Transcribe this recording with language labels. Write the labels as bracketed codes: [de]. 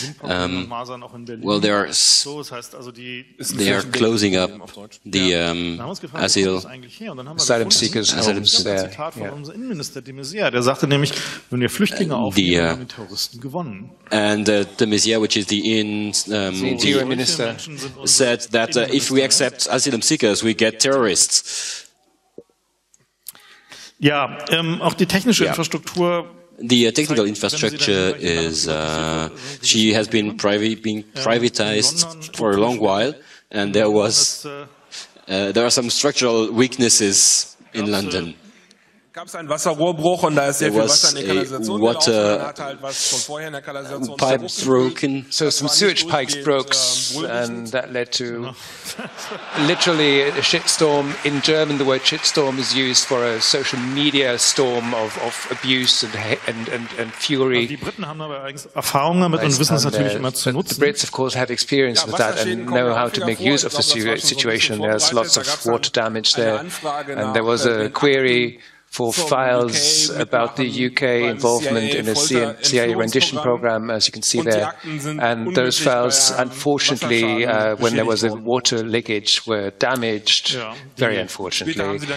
[en] Well, they are closing up the asylum seekers' homes there. [de] Unser Innenminister de Maizière, der sagte nämlich, wenn wir Flüchtlinge aufnehmen, haben wir Terroristen gewonnen. [en] And de Maizière, which is the interior minister, said that if we accept asylum seekers, we get terrorists. [de] Ja, auch die technische Infrastruktur. [en] The technical infrastructure is she has been privatized for a long while, and there was there are some structural weaknesses in London. [de] Gab es einen Wasserrohrbruch und da ist sehr viel Wasser in der Kanalisation gelaufen. Hat halt was von vorher in der Kanalisation. [en] Pipes broken. So some sewage pipes broke and that led to literally a shitstorm. In German, the word shitstorm is used for a social media storm of abuse and fury. [de] Die Briten haben aber eigentlich Erfahrungen damit und wissen es natürlich immer zu nutzen. [en] The Brits of course had experience with that and know how to make use of the situation. There's lots of water damage there and there was a query for files about the UK involvement in a CIA rendition program, as you can see there. And those files, unfortunately, when there was a water leakage, were damaged, very unfortunately.